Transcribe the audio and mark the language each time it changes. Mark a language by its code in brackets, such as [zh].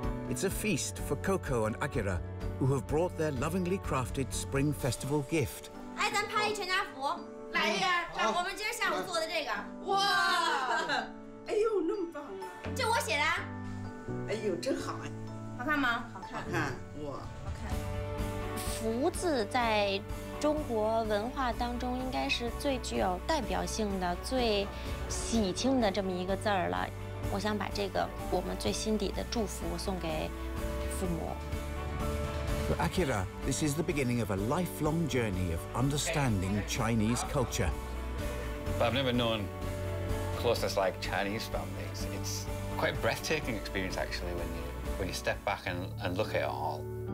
[en] It's a feast for Coco and Akira, who have brought their lovingly crafted spring festival gift. [zh] 哎，咱拍一全家福，来呀！我们今天下午做的这个，哇！哎呦，那么棒啊！这我写的。哎呦，真好哎！好看吗？好看，哇！福字在中国文化当中应该是最具有代表性的、最喜庆的这么一个字儿了。我想把这个我们最心底的祝福送给父母。 [en] For Akira, this is the beginning of a lifelong journey of understanding Chinese culture. But I've never known closest like Chinese families. It's quite a breathtaking experience actually when you step back and look at it all.